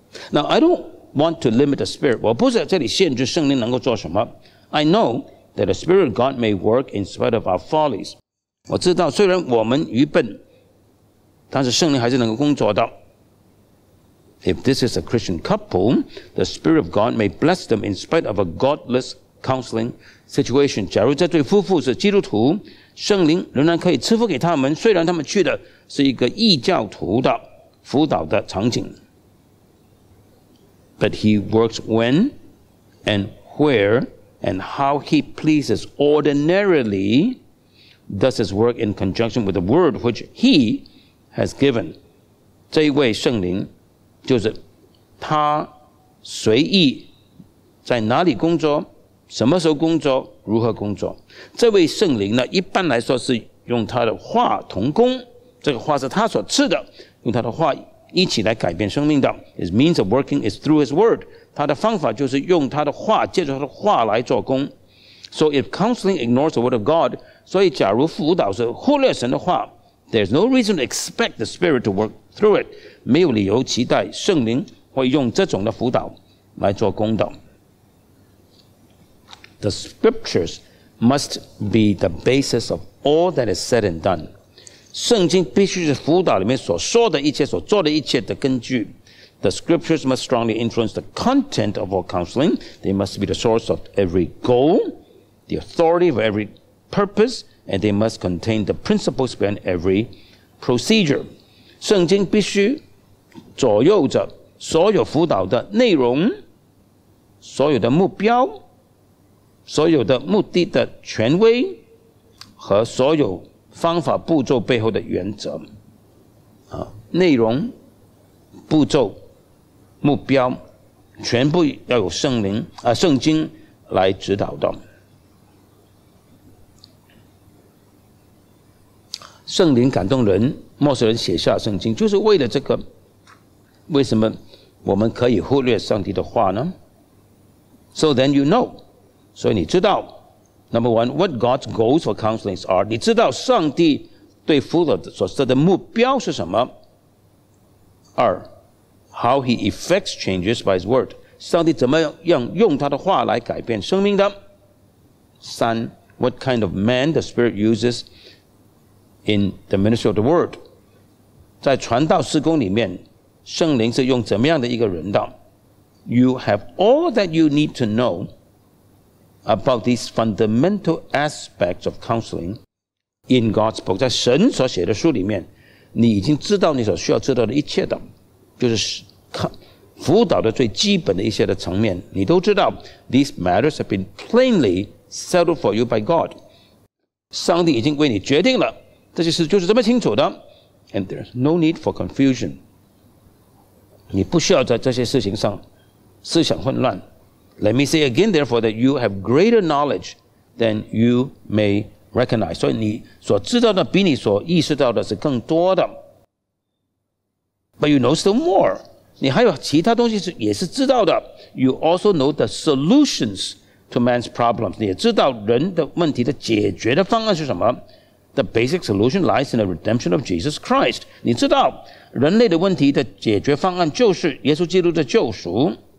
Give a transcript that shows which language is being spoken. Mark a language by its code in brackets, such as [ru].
[en] Now, I don't want to limit the Spirit. [zh] 我不是在这里限制圣灵能够做什么。 [en] I know that the Spirit of God may work in spite of our follies. [zh] 我知道虽然我们愚笨，但是圣灵还是能够工作的。 [en] If this is a Christian couple, the Spirit of God may bless them in spite of a godless counseling situation. [zh] 假如这对夫妇是基督徒，圣灵仍然可以赐福给他们，虽然他们去的是一个异教徒的辅导的场景。 [en] But he works when and where and how he pleases. Ordinarily, does his work in conjunction with the word which he has given. [zh] 这一位圣灵就是他随意在哪里工作，什么时候工作，如何工作。这位圣灵呢，一般来说是用他的话同工，这个话是他所赐的，用他的话一起来改变生命的。 [en] His means of working is through his word. [zh] 他的方法就是用他的话，借着他的话来做工。 [en] So if counseling ignores the word of God, [zh] 所以假如辅导是忽略神的话， [en] There's no reason to expect the Spirit to work through it. [zh] 没有理由期待圣灵会用这种的辅导来做工的。 [en] The scriptures must be the basis of all that is said and done. [zh] 圣经必须是辅导里面所说的一切、所做的一切的根据。 [en] The scriptures must strongly influence the content of all counseling. They must be the source of every goal, the authority of every purpose, and they must contain the principles behind every procedure. [zh] 圣经必须左右着所有辅导的内容、所有的目标、所有的目的的权威和所有方法步骤背后的原则。内容、步骤、目标全部要有圣灵、圣经来指导的。圣灵感动人，默示人写下圣经，就是为了这个。为什么我们可以忽略上帝的话呢？ [en] So then you know. [zh] 所以你知道 [en] Number one, what God's goals for counseling are. [zh] 你知道上帝对辅导所设的目标是什么。 [en] 二 How he effects changes by his word. [zh] 上帝怎么样用他的话来改变生命的。 [en] 三 What kind of man the Spirit uses in the ministry of the word. [zh] 在传道事工里面，圣灵是用怎么样的一个人的。 [en] You have all that you need to knowabout these fundamental aspects of counseling in God's book. [zh] 在神所写的书里面，你已经知道你所需要知道的一切的，就是辅导的最基本的一些的层面，你都知道。 [en] These matters have been plainly settled for you by God. [zh] 上帝已经为你决定了，这些事就是这么清楚的。 [en] And there's no need for confusion. [zh] 你不需要在这些事情上思想混乱。 [en] Let me say again, therefore, that you have greater knowledge than you may recognize. [zh] 所以你所知道的比你所意识到的是更多的。 [en] But you know still more. [zh] 你还有其他东西是也是知道的。 [en] You also know the solutions to man's problems. [zh] 你也知道人的问题的解决的方案是什么。 [en] The basic solution lies in the redemption of Jesus Christ. [zh] 你知道人类的问题的解决方案就是耶稣基督的救赎。